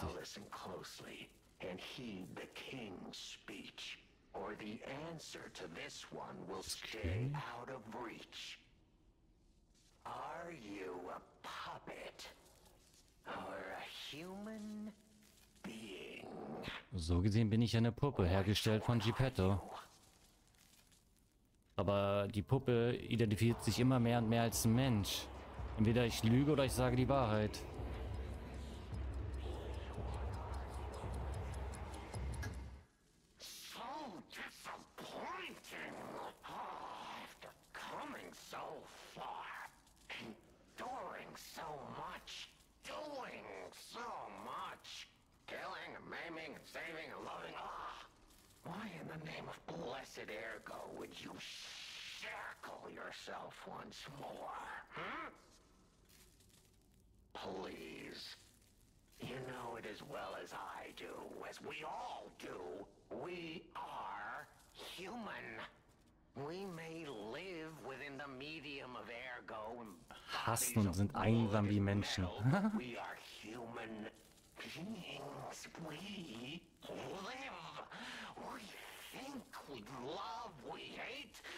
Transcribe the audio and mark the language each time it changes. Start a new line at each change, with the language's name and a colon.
English: Now listen closely and heed the king's speech, or the answer to this one will stay out of reach. Are you a puppet or a human being?
German: So gesehen bin ich eine Puppe, hergestellt von Geppetto. Aber die Puppe identifiziert sich immer mehr und mehr als ein Mensch. Entweder ich lüge oder ich sage die Wahrheit.
English: So disappointing. Oh, after coming so far, enduring so much, doing so much, killing, maiming, saving, and loving. Ah, why in the name of blessed ergo would you shackle yourself once more? Please, you know it as well as I do, as we all do. We are human. We may live within the medium of ergo and
German: hassen und sind einsam wie Menschen.
English: We are human beings. We live. We think, we love, we hate,